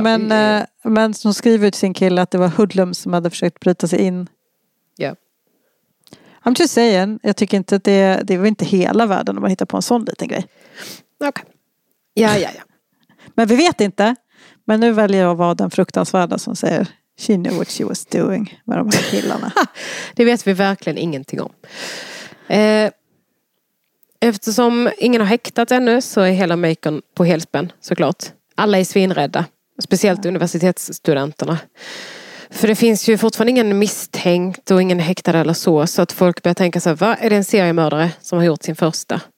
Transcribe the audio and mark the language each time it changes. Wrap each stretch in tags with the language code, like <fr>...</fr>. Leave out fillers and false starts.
<sv>Men, men som skriver ut sin kille att det var hoodlum som hade försökt bryta sig in. Ja. Yeah. I'm just saying, jag tycker inte att det var inte hela världen om man hittar på en sån liten grej. Okej. Okay. Ja, ja, ja. Men vi vet inte. Men nu väljer jag att vara den fruktansvärda som säger...</sv> <en>She knew what she was doing med de här killarna.</en> <sv>Det vet vi verkligen ingenting om. Eftersom ingen har häktat ännu så är hela Macon på helspänn, såklart. Alla är svinrädda. Speciellt universitetsstudenterna. För det finns ju fortfarande ingen misstänkt och ingen häktad eller så. Så att folk börjar tänka sig, vad är det en seriemördare som har gjort sin första?</sv>